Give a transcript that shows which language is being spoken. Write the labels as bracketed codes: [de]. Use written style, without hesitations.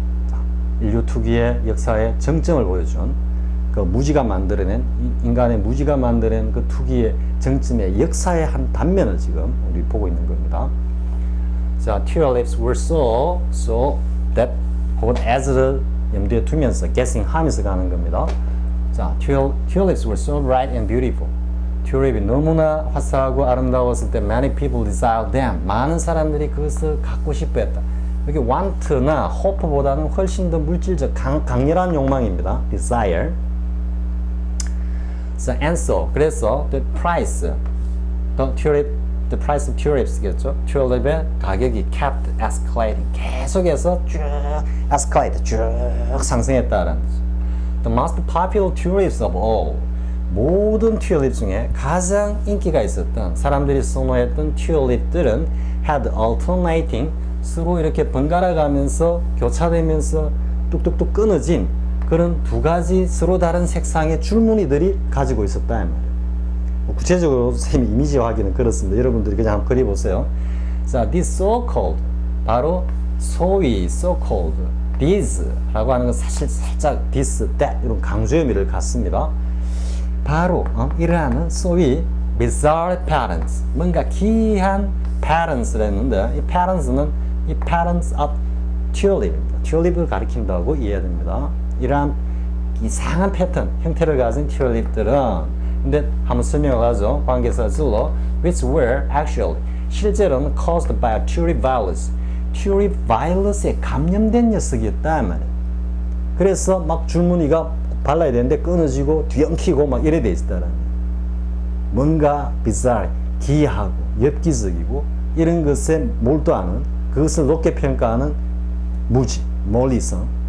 [ko] 자, 인류 투기의 역사의 정점을 보여준 그 무지가 만들어낸 인간의 무지가 만들어낸 그 투기의 정점의 역사의 한 단면을 지금 우리 보고 있는 겁니다. 자, [en] tulips were so that [ko] 혹은 as를 염두에 두면서 guessing 하면서 가는 겁니다. [en] 자, tulips were so bright and beautiful. [ko] 튤립이 너무나 화사하고 아름다웠을 때 [en] many people desired them. [ko] 많은 사람들이 그것을 갖고 싶어 했다. 여기 want나 hope보다는 훨씬 더 물질적 강렬한 욕망입니다. [en] desire. So and so [ko] 그래서 [en] the price the tulip the price of tulips겠죠. [ko] tulip의 가격이 [en] kept escalating. [ko] 계속해서 쭉 escalate 쭉 상승했다라는 거죠. [en] The most popular tulips of all. [ko] 모든 튤립 중에 가장 인기가 있었던 사람들이 선호했던 튤립들은 [en] had alternating [ko] 서로 이렇게 번갈아 가면서 교차되면서 뚝뚝뚝 끊어진 그런 두 가지 서로 다른 색상의 줄무늬들이 가지고 있었다 이 말이에요. 구체적으로 선생님 이미지 확인은 그렇습니다. 여러분들이 그냥 한번 그려보세요. 자, this so-called 바로 소위 so-called these 라고 하는 건 사실 살짝 this, that 이런 강조의 의미를 갖습니다. 바로 이러한 소위 [en] bizarre patterns [ko] 뭔가 기이한 patterns를 했는데 이 patterns는 이 patterns of tulip입니다. tulip을 가리킨다고 이해해야 됩니다. 이러한 이상한 패턴 형태를 가진 tulip들은 근데 한번 설명하죠. 관계사로 [en] which were actually [ko] 실제로는 [en] caused by a Turi virus. [ko] Turi virus에 감염된 녀석이었다 말이야. 그래서 막 줄무늬가 발라야 되는데 끊어지고 뒤엉키고 막 이래 돼 있었다라는 거야. 뭔가 bizarre, 기이하고 엽기적이고 이런 것에 몰두하는, 그것을 높게 평가하는 무지, 멀리성.